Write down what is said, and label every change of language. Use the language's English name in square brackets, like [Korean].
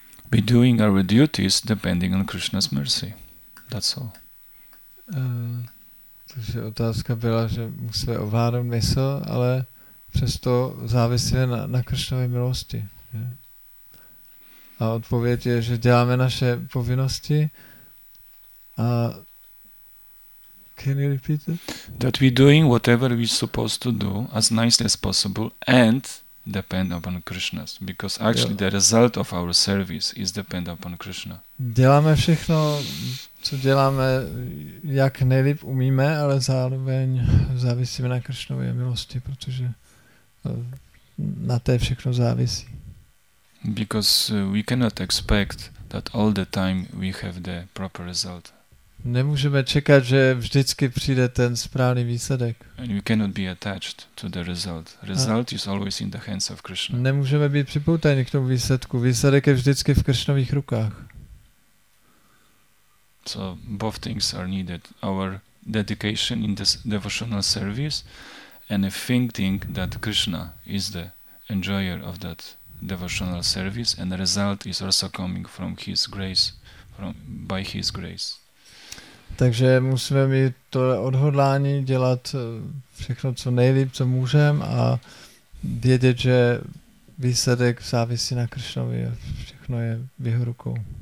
[English] Be doing our duties depending on Krishna's mercy. That's all. [Czech] Takže otázka byla, že musíme ovládat mysl, ale přesto závisí na Krishnově milosti. Že? A odpověď je, že děláme naše povinnosti a [English] Can you repeat it? That we're doing whatever we're supposed to do as nicely as possible and depend upon Krishna. Because actually the result of our service is dependent upon Krishna. [Czech] Děláme všechno, co děláme, jak nejlíp umíme, ale zároveň závisíme na Krishnově milosti, protože na té všechno závisí. [English] Because we cannot expect that all the time we have the proper result. [Czech] Nemůžeme čekat, že vždycky přijde ten správný výsledek. [English] And we cannot be attached to the result. Result is always in the hands of Krishna. [Czech] Nemůžeme být připoutáni k tomu výsledku. Výsledek je vždycky v Krishnových rukách. [English] So both things are needed. Our dedication in this devotional service and thinking that Krishna is the enjoyer of that devotional service and the result is also coming from his grace, from by his grace. [Czech] Takže musíme mít to odhodlání dělat všechno, co nejlíp, co můžeme a vědět, že výsledek závisí na Krišnovi a všechno je v jeho rukou.